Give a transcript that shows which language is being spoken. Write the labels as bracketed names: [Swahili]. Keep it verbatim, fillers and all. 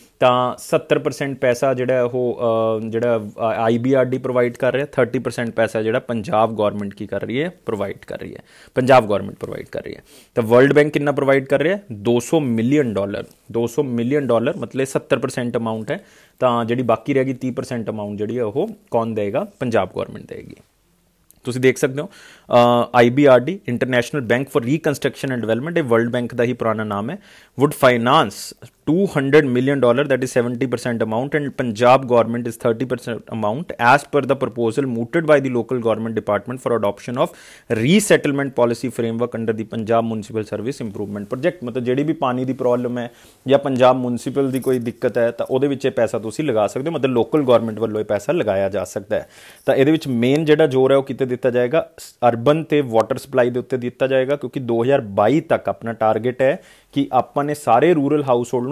[Punjabi] ਤਾਂ ਸੱਤਰ ਪਰਸੈਂਟ ਪੈਸਾ ਜਿਹੜਾ ਉਹ ਅ, ਜਿਹੜਾ I B R D provide ਕਰ ਰਿਹਾ, ਥਰਟੀ ਪਰਸੈਂਟ ਪੈਸਾ ਜਿਹੜਾ ਪੰਜਾਬ ਗੌਰਮੈਂਟ ਕੀ ਕਰ ਰਹੀ ਹੈ, ਪ੍ਰੋਵਾਈਡ ਕਰ ਰਹੀ ਹੈ, ਪੰਜਾਬ ਗੌਰਮੈਂਟ ਪ੍ਰੋਵਾਈਡ ਕਰ ਰਹੀ ਹੈ। ਤਾਂ ਵਰਲਡ ਬੈਂਕ ਕਿੰਨਾ ਪ੍ਰੋਵਾਈਡ ਕਰ ਰਿਹਾ? ਦੋ ਸੌ ਮਿਲੀਅਨ ਡਾਲਰ, ਦੋ ਸੌ ਮਿਲੀਅਨ ਡਾਲਰ, ਮਤਲਬ ਸੱਤਰ ਪਰਸੈਂਟ ਅਮਾਉਂਟ ਹੈ। ਤਾਂ ਜਿਹੜੀ ਬਾਕੀ ਰਹਿ ਗਈ ਤੀਹ ਪਰਸੈਂਟ ਅਮਾਉਂਟ ਜਿਹੜੀ ਹੈ ਉਹ ਕੌਣ ਦੇਗਾ? ਪੰਜਾਬ ਗੌਰਮੈਂਟ ਦੇਗੀ। ਤੁਸੀਂ ਦੇਖ ਸਕਦੇ ਹੋ I B R D, international bank for reconstruction and development, ਇਹ ਵਰਲਡ ਬੈਂਕ ਦਾ ਹੀ ਪੁਰਾਣਾ ਨਾਮ ਹੈ, would finance [English] two hundred million dollars, that is seventy percent amount, and Punjab government is thirty percent amount as per the proposal mooted by the local government department for adoption of resettlement policy framework under the Punjab Municipal Service Improvement Project. [Punjabi] मतलब ਜਿਹੜੀ ਵੀ ਪਾਣੀ ਦੀ problem ਹੈ ਜਾਂ ਪੰਜਾਬ ਮੁਨਿਸਪਲ ਦੀ ਕੋਈ ਦਿੱਕਤ ਹੈ, ਤਾਂ ਉਹਦੇ ਵਿੱਚ ਇਹ ਪੈਸਾ ਤੁਸੀਂ ਲਗਾ ਸਕਦੇ ਹੋ, ਮਤਲਬ ਲੋਕਲ ਗਵਰਨਮੈਂਟ ਵੱਲੋਂ ਇਹ ਪੈਸਾ ਲਗਾਇਆ ਜਾ ਸਕਦਾ ਹੈ। ਤਾਂ ਇਹਦੇ ਵਿੱਚ ਮੇਨ ਜਿਹੜਾ ਜ਼ੋਰ ਹੈ ਉਹ ਕਿਤੇ ਦਿੱਤਾ ਜਾਏਗਾ? ਅਰਬਨ ਤੇ ਵਾਟਰ ਸਪਲਾਈ ਦੇ ਉੱਤੇ ਦਿੱਤਾ ਜਾਏਗਾ, ਕਿਉਂਕਿ ਦੋ ਹਜ਼ਾਰ ਬਾਈ ਤੱਕ ਆਪਣਾ ਟਾਰਗੇਟ ਹੈ ਕਿ ਆਪਾਂ ਨੇ ਸਾਰੇ ਰੂਰਲ ਹਾਊਸ ਹੋਲਡ